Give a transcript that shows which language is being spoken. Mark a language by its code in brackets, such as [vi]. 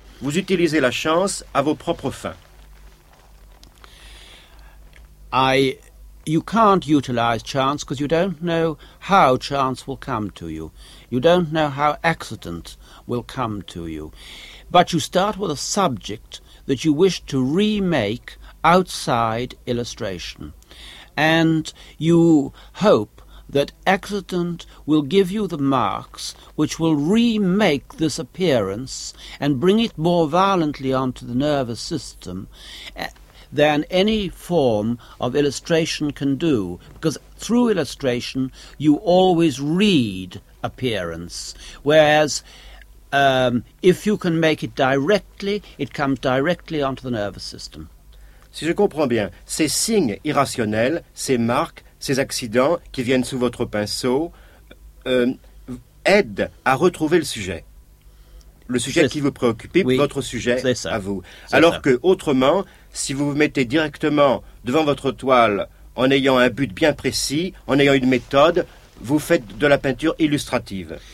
[fr] Vous utilisez la chance à vos propres fins. [en] You can't utilize chance because you don't know how chance will come to you. You don't know how accident will come to you. But you start with a subject that you wish to remake outside illustration. And you hope that accident will give you the marks which will remake this appearance and bring it more violently onto the nervous system than any form of illustration can do. Because through illustration, you always read appearance, whereas if you can make it directly, it comes directly onto the nervous system. [fr] Si je comprends bien, ces signes irrationnels, ces marques, ces accidents qui viennent sous votre pinceau aident à retrouver le sujet. Le sujet qui vous préoccupe, oui, votre sujet à vous. C'est alors ça. Que autrement, si vous vous mettez directement devant votre toile en ayant un but bien précis, en ayant une méthode, vous faites de la peinture illustrative.